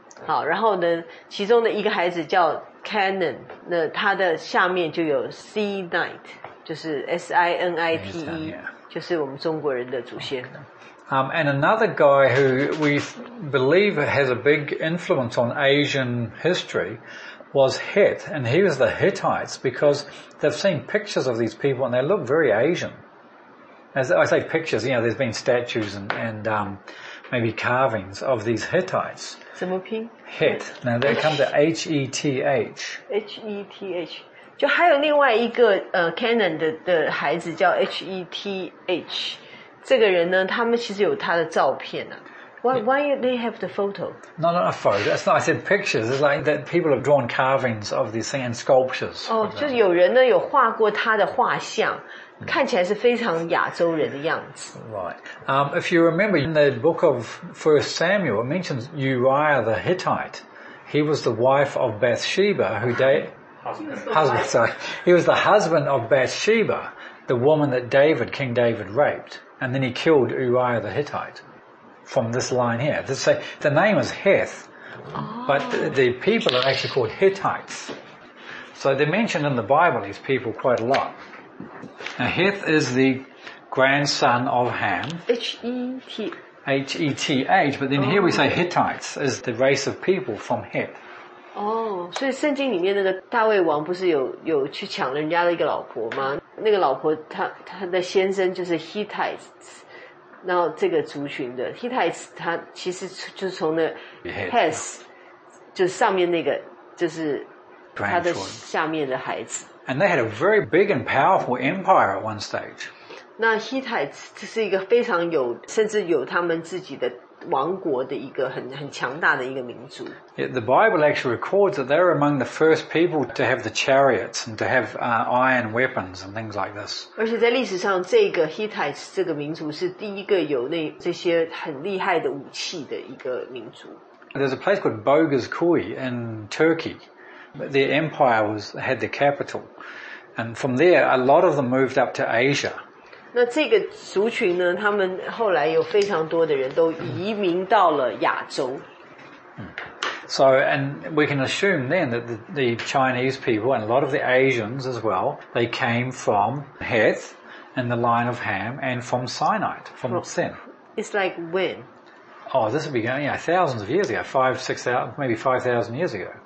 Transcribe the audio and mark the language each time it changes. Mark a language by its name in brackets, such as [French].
[Chinese] 所以我们再回来看这个图啊，族谱就是诺亚的第三个孩子韩，下面有四个孩子，好，然后呢，其中的一个孩子叫 Canaan， 那他的下面就有 Sinite， 就是 S-I-N-I-T-E， 就是我们中国人的祖先。 [English] And another guy who we believe has a big influence on Asian history was Het, and he was the Hittites, because they've seen pictures of these people and they look very Asian. As I say pictures, you know, there's been statues and maybe carvings of these Hittites. [Chinese] 怎么拼? [English] Het. Now that comes at H-E-T-H. H-E-T-H. [Chinese] 就还有另外一个Canon的孩子叫 H-E-T-H. 这个人呢，他们其实有他的照片啊。 [English] Why they have the photo? Not a photo. It's not. I said pictures. It's like that people have drawn carvings of these things and sculptures. [Chinese] Oh, 就是有人呢有画过他的画像，看起来是非常亚洲人的样子。 [English] Right. If you remember in the book of 1 Samuel, it mentions Uriah the Hittite. He was the wife of Bathsheba, who David husband. Sorry, he was the husband of Bathsheba, the woman that David, King David, raped, and then he killed Uriah the Hittite. From this line here. This say, the name is Heth, but the people are actually called Hittites. So they're mentioned in the Bible, these people, quite a lot. Now Heth is the grandson of Ham. H-E-T-H. H-E-T-H, but then here we say Hittites is the race of people from Heth. [Chinese] Oh, 所以圣经里面那个大卫王不是有去抢人家的一个老婆吗? 那个老婆她的先生就是 Hittites. 然后这个族群的 Hittites 它其实就是从那 Heth 就是上面那个就是 [English] grandchildren. And they had a very big and powerful empire at one stage. [Chinese] 那 Hittites 是一个非常有，甚至有他们自己的王国的一个很强大的一个民族。 [English] Yeah, the Bible actually records that they were among the first people to have the chariots and to have iron weapons and things like this. [Chinese] 而且在历史上，这个 Hittites 这个民族是第一个有那这些很厉害的武器的一个民族。 [English] There's a place called Boguzcuy in Turkey. Their empire had the capital, and from there, a lot of them moved up to Asia. [Chinese] 那这个族群呢，他们后来有非常多的人都移民到了亚洲。 [English] So, and we can assume then that the Chinese people and a lot of the Asians as well, they came from Heth and the line of Ham and from Sinai, from Sin. It's like when? Oh, this would be going, yeah, thousands of years ago, 5,000 years ago.